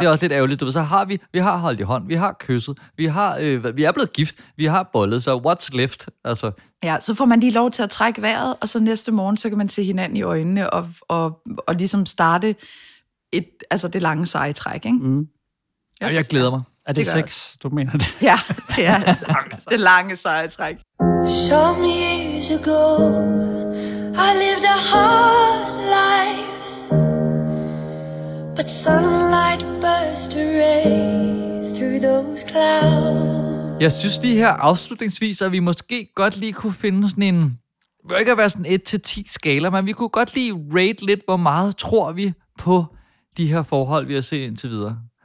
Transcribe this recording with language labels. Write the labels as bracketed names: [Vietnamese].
[Danish] Det er også lidt ærgerligt. Du ved, så har vi har holdt i hånd, vi har kysset, vi er blevet gift, vi har bollet, så [English] what's left? [Danish] Altså. Ja, så får man lige lov til at trække vejret, og så næste morgen, så kan man se hinanden i øjnene og ligesom starte altså det lange seje træk, ikke? Mm. Ja, jeg glæder mig. Er det sex, også. Du mener det? Ja, det er det lange seje træk. [English] Some years ago, I lived a hard life. But sunlight burst away through those clouds. [Danish] Jeg synes lige her afslutningsvis, at vi måske godt lige kunne finde sådan en, det bør ikke være sådan 1-10 skala, men vi kunne godt lige rate lidt, hvor meget tror vi på de her forhold, vi har set indtil videre.